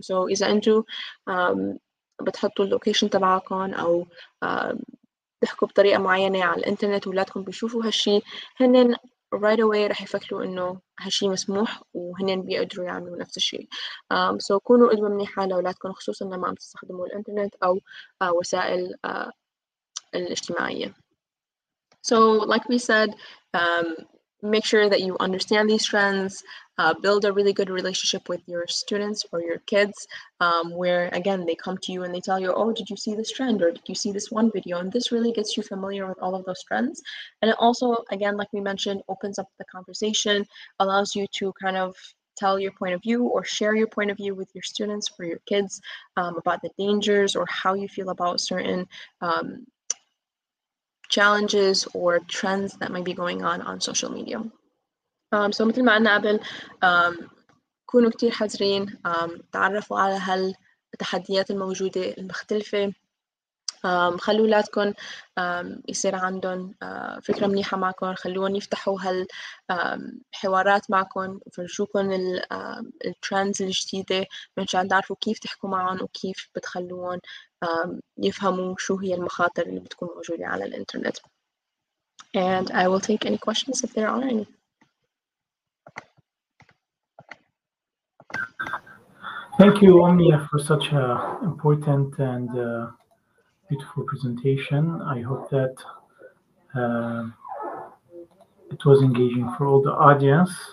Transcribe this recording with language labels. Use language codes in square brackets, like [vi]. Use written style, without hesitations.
[ar] سو إذا أنتوا بتحطوا اللوكيشن تبعكم أو بتحكوا بطريقة معينة على الإنترنت وولادكم بيشوفوا هالشيء، هنن [en] right away [ar] رح يفكروا إنه هالشيء مسموح وهنن بيقدروا يعملوا نفس الشيء. سو كونوا قدوة منيحة لأولادكم خصوصا لما عم تستخدموا الإنترنت أو وسائل الاجتماعية. [en] So like we said, make sure that you understand these trends, build a really good relationship with your students or your kids, where again they come to you and they tell you, oh, did you see this trend or did you see this one video? And this really gets you familiar with all of those trends, and it also, again, like we mentioned, opens up the conversation, allows you to kind of tell your point of view or share your point of view with your students or your kids about the dangers or how you feel about certain challenges or trends that might be going on social media. [ar] So مثل ما قلنا قبل كونوا كتير حذرين، تعرفوا على هالتحديات الموجودة المختلفة، خلوا أولادكم يصير عندهم فكرة منيحة معكم، خلوهم يفتحوا هالحوارات معكم، فرجوكم الترندز الجديدة منشان تعرفوا كيف تحكوا معهم وكيف بتخلوهم يفهموا شو هي المخاطر اللي بتكون موجودة على الإنترنت. [en] And I will take any questions if there are any. Thank you, Omnia, for such an important and beautiful presentation. I hope that it was engaging for all the audience.